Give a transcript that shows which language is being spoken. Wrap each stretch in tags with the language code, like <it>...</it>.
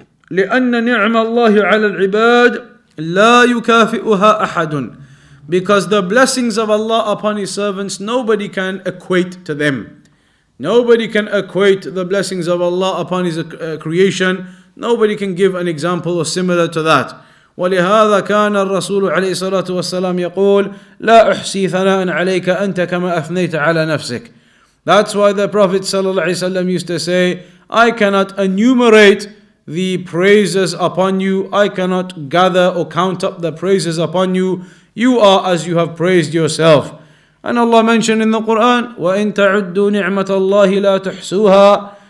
<ar>لِأَنَّ نِعْمَ اللَّهِ عَلَى الْعِبَادِ لَا يُكَافِئُهَا أَحَدٌ.</ar> <en>Because the blessings of Allah upon His servants, nobody can equate to them. Nobody can equate the blessings of Allah upon His creation. Nobody can give an example or similar to that.</en> <ar>ولهذا كان الرسول عليه الصلاة والسلام يقول لا أحصي ثناء عليك أنت كما أثنيت على نفسك.</ar> <en>That's why the Prophet صلى الله عليه وسلم used to say, I cannot enumerate the praises upon you. I cannot gather or count up the praises upon you. You are as you have praised yourself. And Allah mentioned in the Quran,</en> <ar>وَإِن تَعُدُّوا نِعْمَةَ اللَّهِ لَا تُحْصُوهَا.</ar>